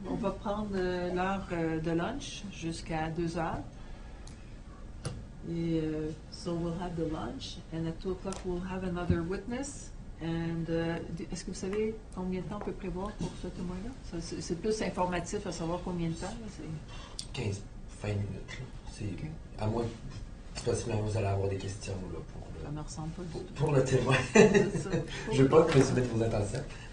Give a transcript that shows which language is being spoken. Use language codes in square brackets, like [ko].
[fr] On va prendre l'heure de lunch jusqu'à 2 heures. [en] So we'll have the lunch, and at 2 o'clock we'll have another witness. [fr] And est-ce que vous savez combien de temps on peut prévoir pour ce témoin-là? C'est plus informatif à savoir combien de temps. Là, c'est 15-20 minutes. Là. C'est okay. À moins que possiblement vous allez avoir des questions là pour. Ça me ressemble pas du tout. Pour le témoin. Je veux pas que vous mettez vos attentions.